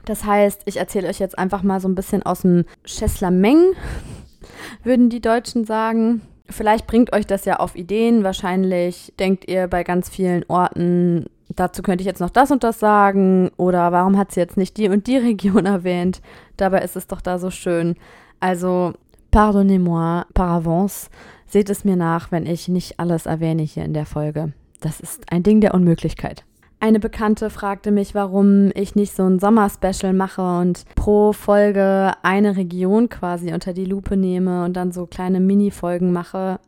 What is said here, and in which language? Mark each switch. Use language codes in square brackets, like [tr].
[de] Das heißt, ich erzähle euch jetzt einfach mal so ein bisschen aus dem Chesslameng, würden die Deutschen sagen. Vielleicht bringt euch das ja auf Ideen. Wahrscheinlich denkt ihr bei ganz vielen Orten, dazu könnte ich jetzt noch das und das sagen. Oder warum hat sie jetzt nicht die und die Region erwähnt? Dabei ist es doch da so schön. [fr] Also, pardonnez-moi par avance. [de] Seht es mir nach, wenn ich nicht alles erwähne hier in der Folge. Das ist ein Ding der Unmöglichkeit. Eine Bekannte fragte mich, warum ich nicht so ein Sommerspecial mache und pro Folge eine Region quasi unter die Lupe nehme und dann so kleine Mini-Folgen mache.